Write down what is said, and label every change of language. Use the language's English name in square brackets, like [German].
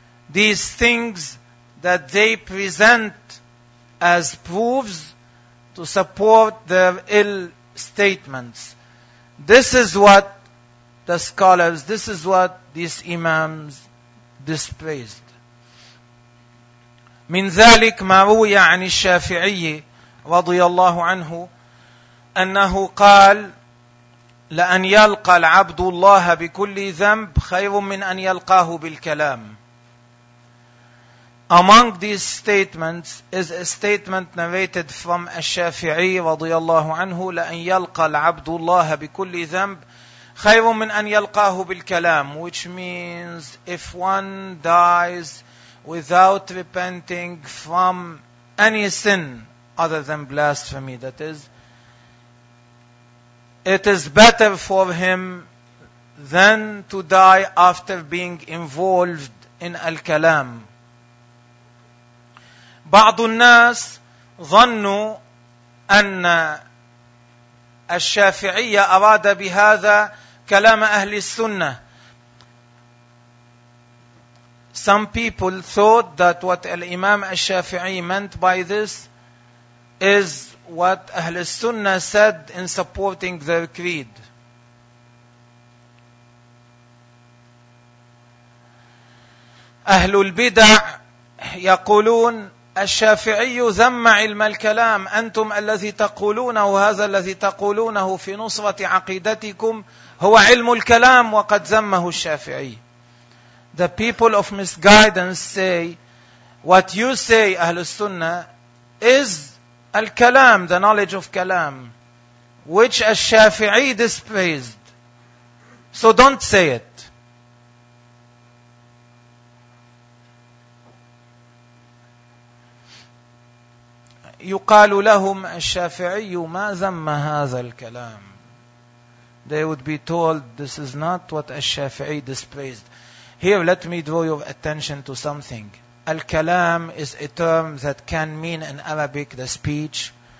[English] These things that they present as proofs to support their ill statements. This is what the scholars, this is what these imams dispraised. [Arabic] من ذلك ما روي عن الشافعي رضي الله عنه أنه قال لأن يلقى العبد الله بكل ذنب خير من أن يلقاه بالكلام. [English] Among these statements is a statement narrated from الشافعي [Arabic] رضي الله عنه لأن يلقى العبد الله بكل ذنب خير من أن يلقاه بالكلام, [English] which means if one dies without repenting from any sin other than blasphemy, that is, it is better for him than to die after being involved in al-kalam. [Arabic] بعض الناس ظنوا أن الشافعية أراد بهذا كلام أهل السنة. [English] Some people thought that what Imam al-Shafi'i meant by this is what أهل السنة said in supporting their creed. [Arabic] أهل البدع يقولون الشافعي ذم علم الكلام, أنتم الذي تقولونه, هذا الذي تقولونه في نصرة عقيدتكم هو علم الكلام وقد ذمه الشافعي. [English] The people of misguidance say what you say, أهل السنة, is الكلام, the knowledge of كلام, which الشافعي despised. So don't say it. [Arabic] يقال لهم الشافعي ما ذم هذا الكلام. [English] They would be told this is not what الشافعي despised. Here let me draw your attention to something. الكلام is a term that can mean in Arabic the speech.